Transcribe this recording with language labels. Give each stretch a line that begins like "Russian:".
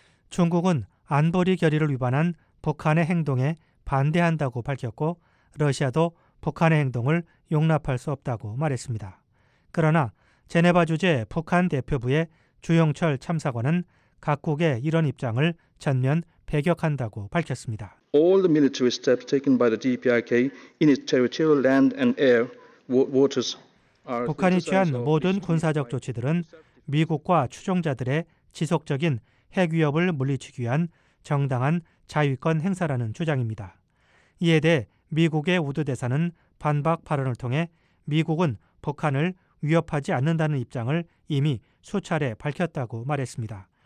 Korean: 중국은 안보리 결의를 위반한 북한의 행동에 반대한다고 밝혔고 러시아도 북한의 행동을 용납할 수 없다고 말했습니다. 그러나 제네바 주재 북한 대표부의 주영철 참사관은 각국의 이런 입장을 전면 배격한다고 밝혔습니다.
English: All the military steps taken by the DPRK in its territorial land and air waters
Korean: 북한이 취한 모든 군사적 조치들은 미국과 추종자들의 지속적인 핵 위협을 물리치기 위한 정당한 자위권 행사라는 주장입니다. 이에 대해 미국의 우드 대사는 반박 발언을 통해 미국은 북한을 위협하지 않는다는 입장을 이미 수차례 밝혔다고 말했습니다.